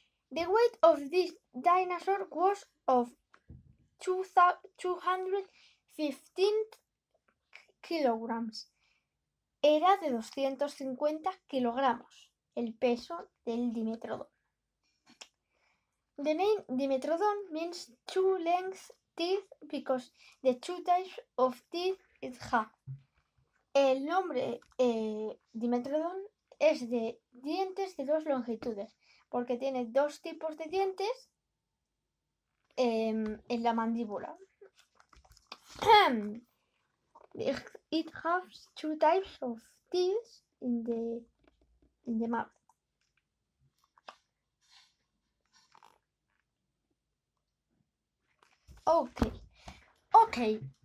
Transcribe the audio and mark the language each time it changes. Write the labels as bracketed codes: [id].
[en] The weight of this dinosaur was of 215 kilograms. [es] Era de 250 kilogramos el peso del dimetrodón. [en] The name dimetrodon means two length teeth because the two types of teeth it has. [es] El nombre dimetrodon es de dientes de dos longitudes porque tiene dos tipos de dientes en la mandíbula. [en] It has two types of teeth in the mouth. Okay.